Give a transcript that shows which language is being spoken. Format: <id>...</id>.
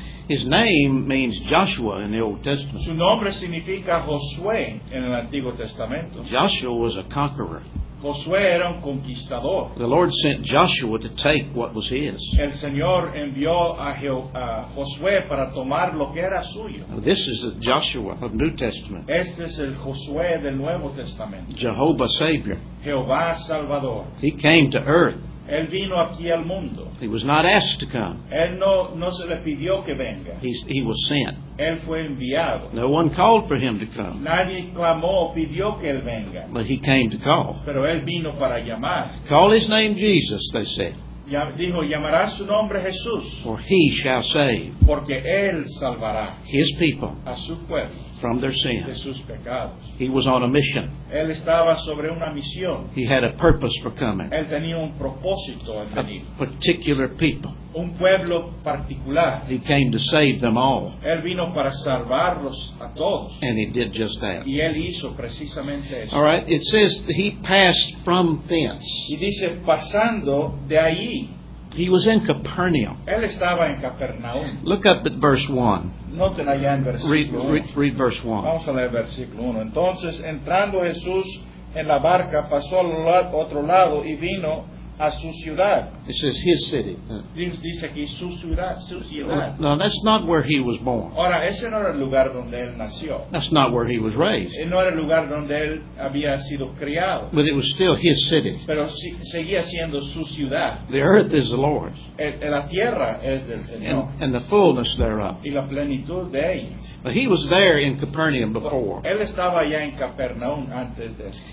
<en>His name means Joshua in the Old Testament.</en> <es>Su nombre significa Josué en el Antiguo Testamento.</es> <en>Joshua was a conqueror.</en> <es>Josué era un conquistador.</es> <en>The Lord sent Joshua to take what was his.</en> <es>El Señor envió a Josué para tomar lo que era suyo.</es> <en>Now, this is a Joshua of New Testament.</en> <es>Este es el Josué del Nuevo Testamento.</es> <en>Jehovah Savior.</en> <es>Jehová Salvador.</es> <en>He came to earth.</en> <es>Él vino aquí al mundo.</es> <en>He was not asked to come.</en> <es>Él no se le pidió que venga.</es> <en>He was sent.</en> <es>Él fue enviado.</es> <en>No one called for him to come.</en> <es>Nadie clamó, pidió que él venga.</es> <en>But he came to call.</en> <es>Pero él vino para llamar.</es> <en>Call his name Jesus, they said.</en> <es>Dijo, llamará su nombre Jesús.</es> <en>For he shall save.</en> <es>Porque él salvará.</es> <en>His people.</en> <es>A su pueblo.</es> <en>From their sins.</en> <es>De sus pecados.</es> <en>He was on a mission.</en> <es>Él estaba sobre una misión.</es> <en>He had a purpose for coming.</en> <es>Él tenía un propósito en venir.</es> <en>A particular people.</en> <es>Un pueblo particular.</es> <en>He came to save them all.</en> <es>Él vino para salvarlos a todos.</es> <en>And he did just that.</en> <es>Y él hizo precisamente eso.</es> <en>All right, it says he passed from thence.</en> <es>Y dice, pasando de allí.</es> <en>He was in Capernaum.</en> <es>Él estaba en Capernaum.</es> <en>Look up at verse 1.</en> <es>Noten allá en versículo 1.</es> <en>Read verse 1.</en> <es>Vamos a leer versículo 1. Entonces, entrando Jesús en la barca, pasó al otro lado y vino a su ciudad.</es> <en>This is his city.</en> <es>Dice aquí su ciudad.</es> <en>No, that's not where he was born.</en> <es>Ahora, ese no era el lugar donde él nació.</es> <en>That's not where he was raised.</en> <es>No era el lugar donde él había sido criado.</es> <en>But it was still his city.</en> <es>Pero seguía siendo su ciudad.</es> <en>The earth is the Lord's.</en> <es>La tierra es del Señor.</es> <en>And the fullness thereof.</en> <es>Y la plenitud de ella.</es> <en>But he was there in Capernaum before.</en> <es>Él estaba allá en Capernaum antes de eso.</es>